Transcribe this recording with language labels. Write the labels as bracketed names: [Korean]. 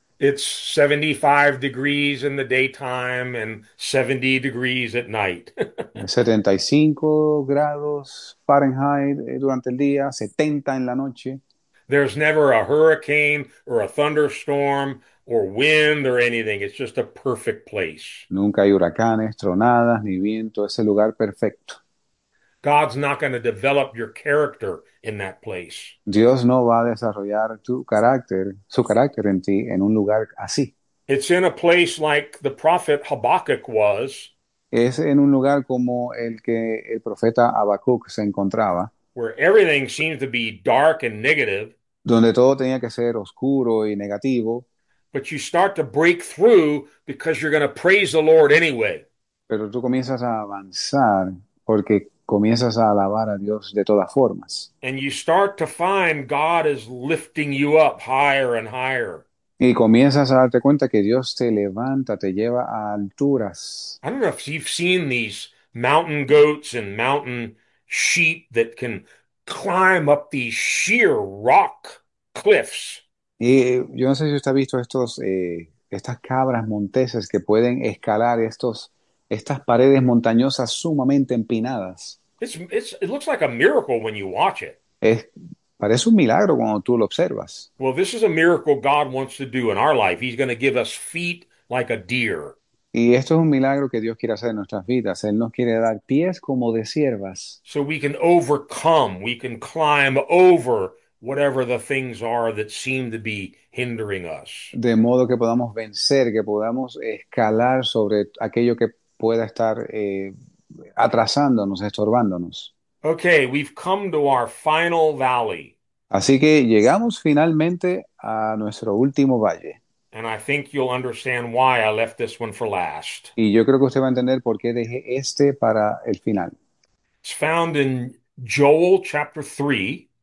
[English] It's 75 degrees in the daytime and 70 degrees at night. [Spanish] 75 grados Fahrenheit durante el día, 70 en la noche. [English] There's never a hurricane or a thunderstorm or wind or anything. It's just a perfect place. [Spanish] Nunca hay huracanes, tronadas, ni viento, ese lugar perfecto. [English] God's not going to develop your character in that place. [Spanish] Dios no va a desarrollar tu carácter, su carácter en ti, en un lugar así. [English] It's in a place like the prophet Habakkuk was, [Spanish] Es en un lugar como el que el profeta Habacuc se encontraba, [English] where everything seems to be dark and negative. [Spanish] donde todo tenía que ser oscuro y negativo. [English] But you start to break through because you're going to praise the Lord anyway. [Spanish] Pero tú comienzas a avanzar porque comienzas a alabar a Dios de todas formas. [English] And you start to find God is lifting you up higher and higher. [Spanish] Y comienzas a darte cuenta que Dios te levanta, te lleva a alturas. [English] I don't know if you've seen these mountain goats and mountain sheep that can climb up these sheer rock cliffs. [Spanish] Y yo no sé si usted ha visto estas cabras monteses que pueden escalar estas paredes montañosas sumamente empinadas. [English] It looks like a miracle when you watch it. [Spanish] Parece un milagro cuando tú lo observas. [English] Well, this is a miracle God wants to do in our life. He's going to give us feet like a deer. [Spanish] Y esto es un milagro que Dios quiere hacer en nuestras vidas. Él nos quiere dar pies como de ciervas. [English] So we can overcome, we can climb over whatever the things are that seem to be hindering us. [Spanish] De modo que podamos vencer, que podamos escalar sobre aquello que pueda estar atrasándonos, estorbándonos. [English] Okay, we've come to our final valley. [Spanish] Así que llegamos finalmente a nuestro último valle. [English] And I think you'll understand why I left this one for last. [Spanish] Y yo creo que usted va a entender por qué dejé este para el final. [English] It's found in Joel chapter 3,